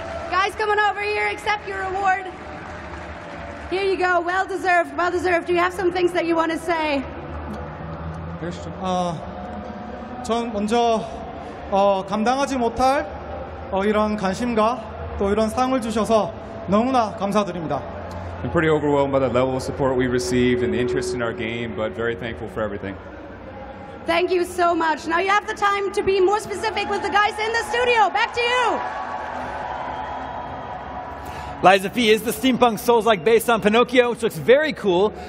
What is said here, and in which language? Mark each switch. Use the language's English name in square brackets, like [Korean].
[English] Guys, come on over here, accept your award. Here you go, well deserved, well deserved. Do you have some things that you want to say? [Korean] 전 먼저 감당하지 못할 이런 관심과 또 이런 상을 주셔서 너무나 감사드립니다. [English] I'm pretty overwhelmed by the level of support we received and the interest in our game, but very thankful for everything. Thank you so much. Now you have the time to be more specific with the guys in the studio. Back to you. Liza Fee is the steampunk Souls-like based on Pinocchio, which looks very cool.